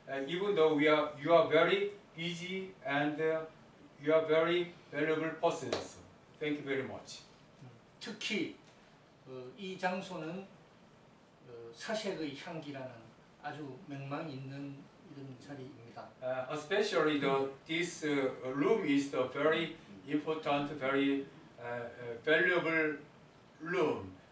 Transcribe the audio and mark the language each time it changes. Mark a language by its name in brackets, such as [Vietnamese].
[English] Even though you are very busy and you are very valuable persons. Thank you very much. [Korean] 특히 이 장소는 사색의 향기라는 아주 명망 있는 이런 자리입니다. [English] Especially this room is the very important, very valuable room.